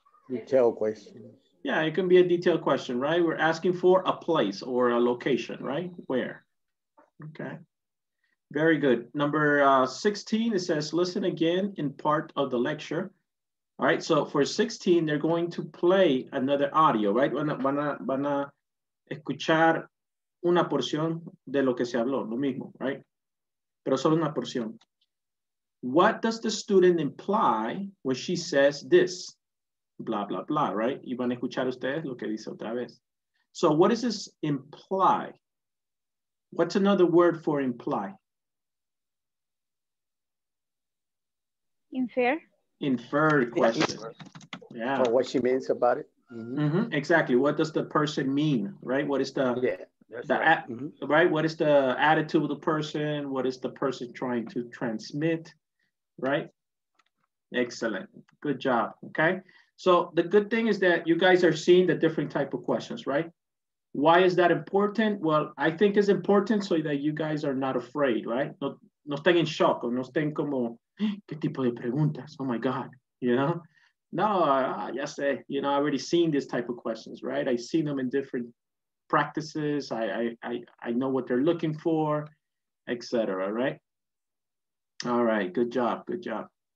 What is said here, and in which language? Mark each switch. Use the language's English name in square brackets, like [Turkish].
[English] Detailed question. Yeah, it can be a detailed question, right? We're asking for a place or a location, right? Where? Okay. Very good. Number 16, it says, listen again in part of the lecture. All right, so for 16, they're going to play another audio, right? [Spanish] Van a escuchar una porción de lo que se habló, lo mismo, right? Pero solo una porción. [English] What does the student imply when she says this? Blah, blah, blah, right? [Spanish] Y van a escuchar ustedes lo que dice otra vez. [English] So what does this imply? What's another word for imply? Infer. Infer question. Yeah. For what she means about it. Mm-hmm. Mm-hmm. Exactly. What does the person mean, right? What is the, right? What is the attitude of the person? What is the person trying to transmit, right? Excellent. Good job, okay? So the good thing is that you guys are seeing the different type of questions, right? Why is that important? Well, I think it's important so that you guys are not afraid, right? [Spanish] No estén en shock, o no estén como, ¿qué tipo de preguntas? [English] Oh my God, you know? [Spanish] No, ya sé, [English] you know, I've already seen these type of questions, right? I've seen them in different practices. I know what they're looking for, et cetera, right? All right, good job, good job.